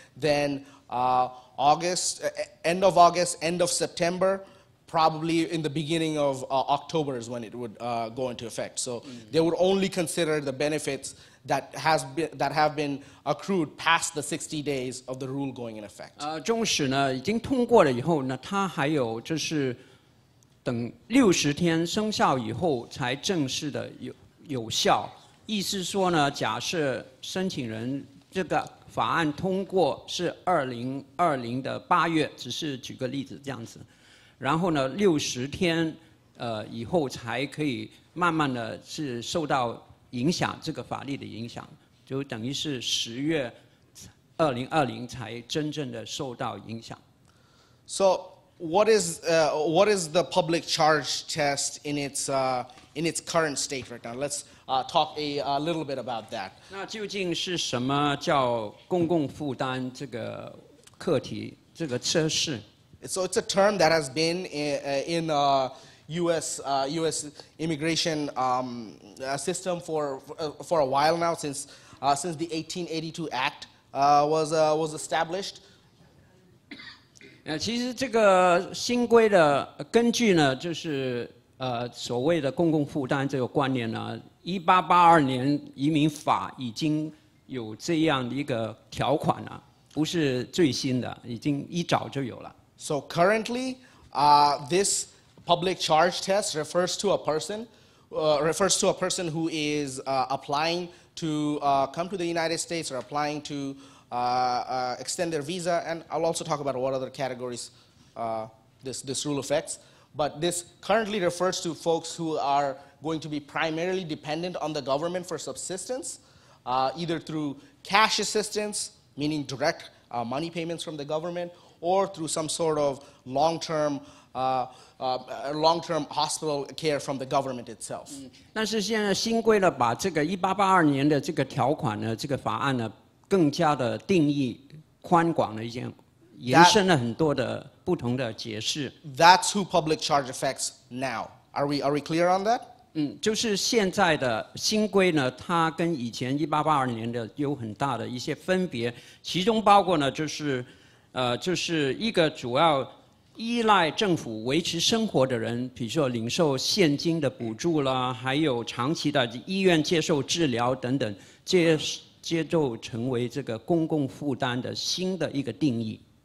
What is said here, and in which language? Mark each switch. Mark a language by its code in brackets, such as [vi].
[en] Then end of August, end of September, probably in the beginning of October is when it would go into effect. So they would only consider the benefits that have been accrued past the 60 days of the rule going in effect. [zh] 纵使呢已经通过了以后呢，它还有就是等60天生效以后才正式的有效。意思说呢，假设申请人这个法案通过是2020的八月，只是举个例子这样子，然后呢60天以后才可以慢慢的是受到。影响这个法律的影响，就等于是十月2020才真正的受到影响。 [en] So What is the public charge test in its current state right now? Let's talk a little bit about that. [zh] 那究竟是什么叫公共负担这个课题这个测试？ [en] So it's a term that has been in U.S. U.S. immigration system for a while now since the 1882 Act was established. [zh] 其实这个新规的根据呢，就是所谓的公共负担这个观念呢，1882年移民法已经有这样的一个条款了，不是最新的，已经一早就有了。 [en] So currently, this public charge test refers to a person, refers to a person who is applying to come to the United States or applying to extend their visa, and I'll also talk about what other categories this rule affects. But this currently refers to folks who are going to be primarily dependent on the government for subsistence, either through cash assistance, meaning direct money payments from the government, or through some sort of long-term hospital care from the government itself. [zh] 但是现在新规呢，把这个1882年的这个条款呢，这个法案呢，更加的定义宽广了一些，延伸了很多的不同的解释。 [en] That's who public charge affects now. Are we clear on that? [zh] 就是现在的新规呢，它跟以前1882年的有很大的一些分别，其中包括呢，就是，就是一个主要依赖政府维持生活的人，比如说领受现金的补助啦，还有长期的医院接受治疗等等，这些就成为这个公共负担的新的一个定义。